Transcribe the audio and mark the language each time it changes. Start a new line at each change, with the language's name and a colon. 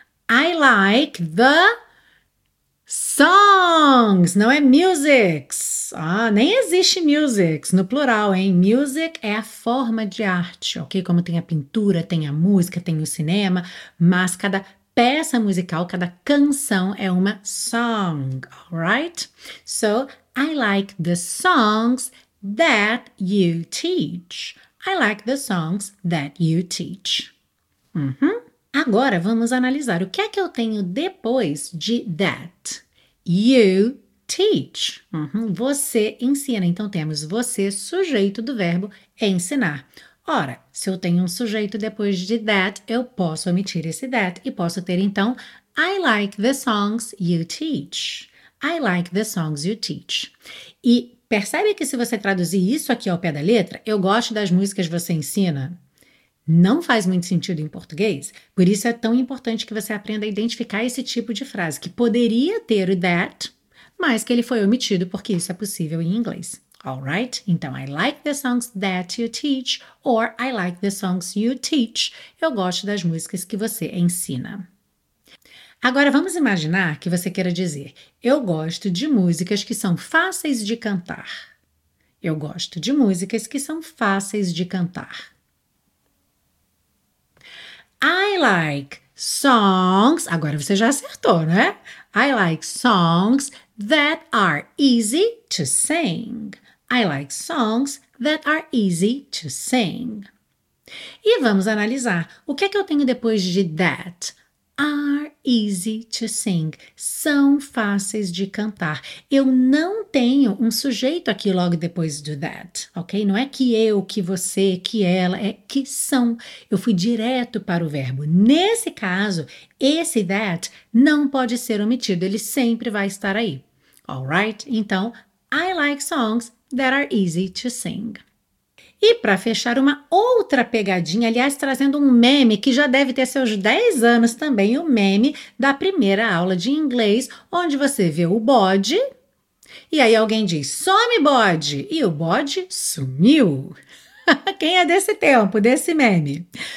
English: I like the songs,
Portuguese: não é musics. Ah, nem existe musics no plural, hein? Music é a forma de arte, ok? Como tem a pintura, tem a música, tem o cinema, mas cada peça musical, cada canção é uma song, alright?
English: So, I like the songs that you teach. I like the songs that you teach.
Portuguese: Agora vamos analisar o que é que eu tenho depois de that.
English: You teach.
Portuguese: Você ensina. Então temos você, sujeito do verbo ensinar. Ora, se eu tenho um sujeito depois de that, eu posso omitir esse that e posso ter então
English: I like the songs you teach. I like the songs you teach.
Portuguese: E percebe que se você traduzir isso aqui ao pé da letra, eu gosto das músicas que você ensina. Não faz muito sentido em português, por isso é tão importante que você aprenda a identificar esse tipo de frase, que poderia ter o that, mas que ele foi omitido, porque isso é possível em inglês.
English: All right?
Portuguese: Então,
English: I like the songs that you teach, or I like the songs you teach.
Portuguese: Eu gosto das músicas que você ensina. Agora, vamos imaginar que você queira dizer: eu gosto de músicas que são fáceis de cantar. Eu gosto de músicas que são fáceis de cantar.
English: I like songs.
Portuguese: Agora você já acertou, né?
English: I like songs that are easy to sing. I like songs that are easy to sing.
Portuguese: E vamos analisar. O que é que eu tenho depois de that?
English: Are easy to sing.
Portuguese: São fáceis de cantar. Eu não tenho um sujeito aqui logo depois do that, ok? Não é que eu, que você, que ela, é que são. Eu fui direto para o verbo. Nesse caso, esse that não pode ser omitido, ele sempre vai estar aí.
English: All right?
Portuguese: Então,
English: I like songs that are easy to sing.
Portuguese: E para fechar, uma outra pegadinha, aliás, trazendo um meme que já deve ter seus 10 anos também, o meme da primeira aula de inglês, onde você vê o bode e aí alguém diz:
English: some bode!
Portuguese: E o bode sumiu. Quem é desse tempo, desse meme?